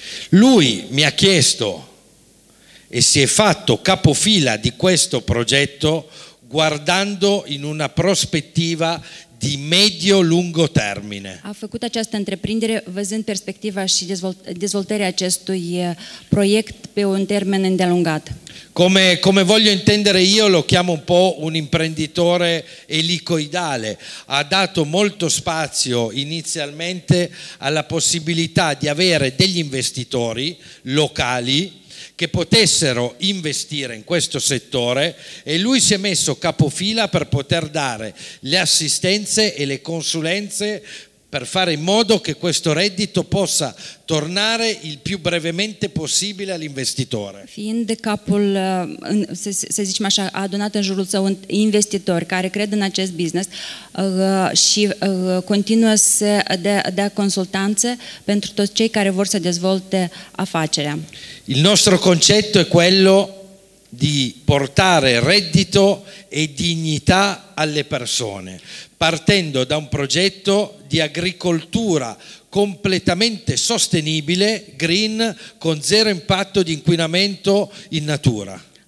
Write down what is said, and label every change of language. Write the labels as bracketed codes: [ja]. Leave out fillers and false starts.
[it] Lui mi ha chiesto e si è fatto capofila di questo progetto guardando in una prospettiva di medio-lungo termine. [ro] Ha făcut această întreprindere văzând perspectiva și dezvoltarea acestui proiect pe un termen îndelungat. [it] Come voglio intendere io, lo chiamo un po' un imprenditore elicoidale. Ha dato molto spazio inizialmente alla possibilità di avere degli investitori locali che potessero investire in questo settore e lui si è messo capofila per poter dare le assistenze e le consulenze per fare in modo che questo reddito possa tornare il più brevemente possibile all'investitore. [ro] Fiind capul, să zicem așa, a adunat în jurul său investitori care cred în acest business și continuă să dea consultanțe pentru toți cei care vor să dezvolte afacerea. [it] Il nostro concetto è quello di portare reddito e dignità alle persone, partendo da un progetto di agricoltura completamente sostenibile, green, con zero impatto di inquinamento in natura.